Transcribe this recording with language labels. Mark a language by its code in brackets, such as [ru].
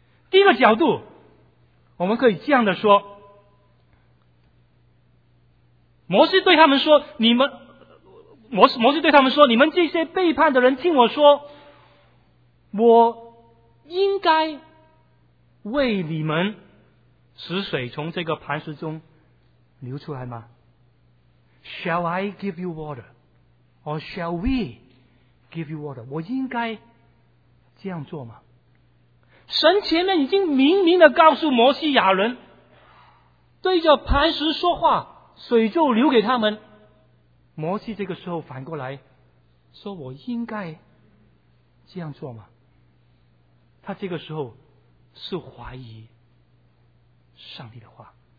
[zh] 第一个角度，我们可以这样的说，摩西对他们说，你们摩西对他们说，你们这些背叛的人听我说，我应该为你们使水从这个磐石中流出来吗？ [en] Shall I give you water? Or shall we give you water? [zh] 我应该这样做吗？神前面已经明明的告诉摩西亚伦，对着磐石说话，水就流给他们。摩西这个时候反过来说，我应该这样做吗？他这个时候是怀疑上帝的话。